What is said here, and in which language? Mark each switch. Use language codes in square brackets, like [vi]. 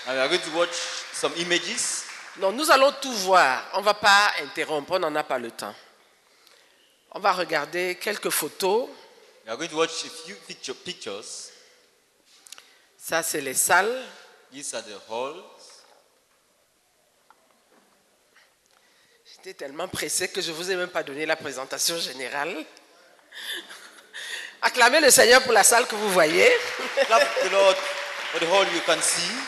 [en] And we are going to watch some images. [fr] Non, nous allons tout voir. On ne va pas interrompre, on n'en a pas le temps. On va regarder quelques photos. [en] We are going to watch a few pictures. [fr] Ça, c'est les salles. [en] These are the halls. [fr] J'étais tellement pressé que je ne vous ai même pas donné la présentation générale. Acclamez le Seigneur pour la salle que vous voyez. [en] Clap the Lord for the hall you can see.